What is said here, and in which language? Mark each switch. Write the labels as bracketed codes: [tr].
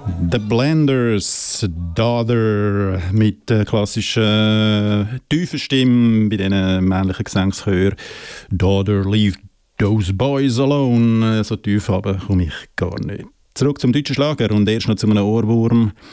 [de] The Blenders, Daughter, mit der klassischen tiefen Stimme bei diesen männlichen Gesangschören. [en] Daughter, leave those boys alone. [de] So tief haben komme ich gar nicht. Zurück zum deutschen Schlager und erst noch zu einem Ohrwurm.